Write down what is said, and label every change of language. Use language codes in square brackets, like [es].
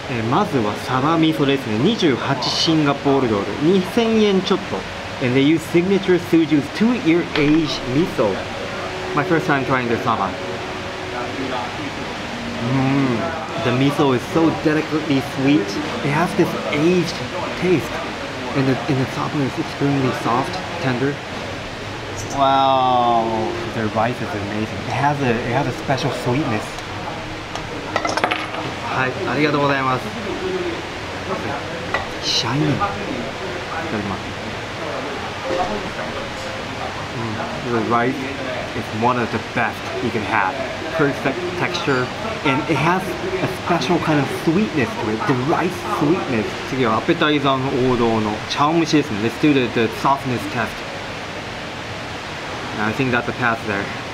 [ja] まずはサバ味噌ですね。28シンガポールドル、2000円ちょっと。 [en] And they use signature Suju's two-year aged 味噌。 My first time trying the saba. The 味噌 is so delicately sweet. It has this aged taste. And the saba is extremely soft, tender. Wow! Their rice is amazing. It has a special sweetness. [ja] はい、ありがとうございます。シャイニー、いただきます。 [en] The rice is one of the best you can have. Perfect texture. And it has a special kind of sweetness to it. The rice sweetness. [ja] 次はアペタイザーの王道の茶蒸しですね。 [en] Let's do the softness test. I think that's a pass there.